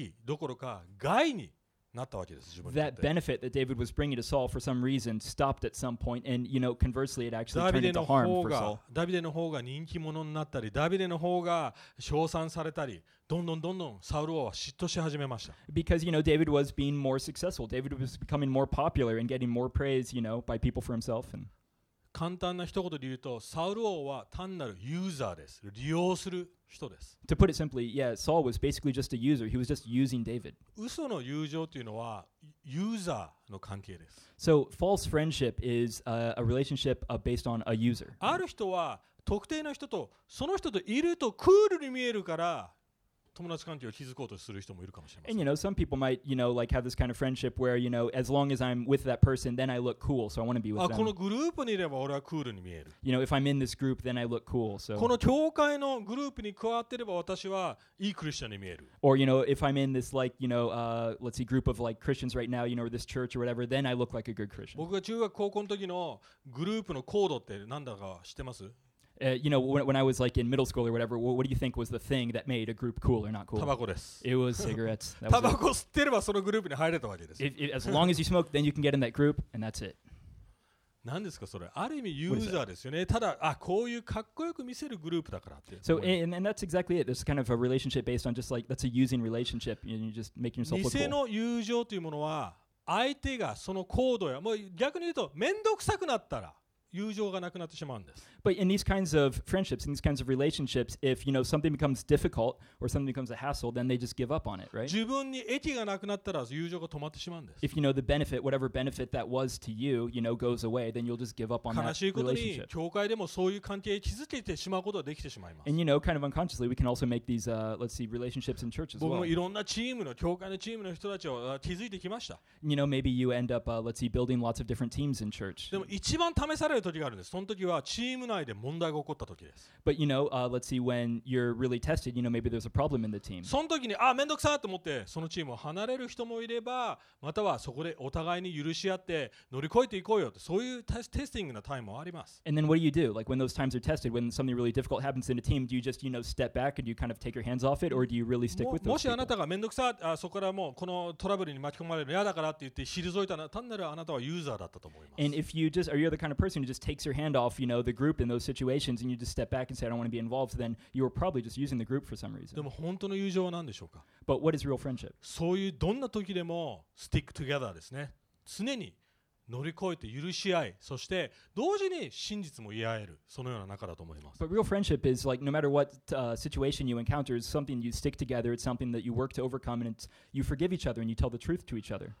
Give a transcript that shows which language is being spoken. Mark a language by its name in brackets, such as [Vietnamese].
[English] That benefit that David was bringing to Saul for some reason stopped at some point, and you know, conversely, it actually turned into harm for Saul. [Japanese] どんどんどんどんサウル王は嫉妬し始めました。 [English] Because, you know, David was being more successful. David was becoming more popular and getting more praise, you know, by people for himself. And [Japanese] 簡単な一言で言うと、サウル王は単なるユーザーです。利用する人です。 [English] To put it simply, yeah, Saul was basically just a user. He was just using David. [Japanese] 嘘の友情というのはユーザーの関係です。 [English] So false friendship is a relationship based on a user. [Japanese] ある人は特定の人とその人といるとクールに見えるから友達関係を築こうとする人もいるかもしれません。 [English] And you know, some people might, you know, like have this kind of friendship where, you know, as long as I'm with that person, then I look cool, so I want to be with them. [Japanese] このグループにいれば俺はクールに見える。 [English] You know, if I'm in this group, then I look cool, so. [Japanese] この教会のグループに加わっていれば私はいいクリスチャンに見える。 [English] Or, you know, if I'm in this, like, you know, let's see, group of, like, Christians right now, you know, or this church or whatever, then I look like a good Christian. [Japanese] 僕が中学高校の時のグループのコードって何だか知ってます? [English] You know, when I was like in middle school or whatever, what do you think was the thing that made a group cool or not cool? Tobacco. It was cigarettes. [Japanese] Tobacco 吸ってればそのグループに入れたわけです。 [English] As long as you smoke, then you can get in that group, and that's it. [Japanese] 何ですかそれ。ある意味ユーザーですよね。ただ、あ、こういうかっこよく見せるグループだからって。 [English] So, and that's exactly it. There's kind of a relationship based on just like, that's a using relationship, and you're just making yourself look cool. [Japanese] 偽の友情というものは、相手がその行動や、もう逆に言うと、めんどくさくなったら、友情がなくなってしまうんです。 [English] But in these kinds of friendships, in these kinds of relationships, if you know something becomes difficult or something becomes a hassle, then they just give up on it, right? [Japanese] 自分に益がなくなったら友情が止まってしまうんです。 [English] If you know the benefit, whatever benefit that was to you, you know, goes away, then you'll just give up on that relationship. [Japanese] 悲しいことに教会でもそういう関係を築けてしまうことができてしまいます。 [English] And you know, kind of unconsciously, we can also make these, let's see, relationships in church as well. [Japanese] 僕もいろんなチームの教会のチームの人たちを築いてきました。 [English] You know, maybe you end up, let's see, building lots of different teams in church. [Japanese] でも一番試される時があるんです。その時はチーム内で問題が起こった時です。 [English] But you know, let's see, when you're really tested, you know, maybe there's a problem in the team. [Japanese] その時に、あ、めんどくさと思って、そのチームを離れる人もいれば、またはそこでお互いに許し合って乗り越えていこうよって、そういうテスティングなタイムもあります。 [English] And then what do you do? Like when those times are tested, when something really difficult happens in a team, do you just, you know, step back and you kind of take your hands off it, or do you really stick with those people? [Japanese] もしあなたがめんどくさ、あ、そこからもうこのトラブルに巻き込まれるの嫌だからって言って退いたな、単なるあなたはユーザーだったと思います。 [English] And if you just, are you the kind of person who just takes your hand off, you know, the group in those situations, and you just step back and say, I don't want to be involved, then you are probably just using the group for some reason. [Japanese] でも本当の友情は何でしょうか? [English] But what is real friendship? [Japanese] そういうどんな時でも [English] stick together [Japanese] ですね。常に乗り越えて許し合い、そして同時に真実も言い合える、そのような中だと思います。 [English] But real friendship is like, no matter what situation you encounter, it's something you stick together, it's something that you work to overcome, and it's you forgive each other, and you tell the truth to each other.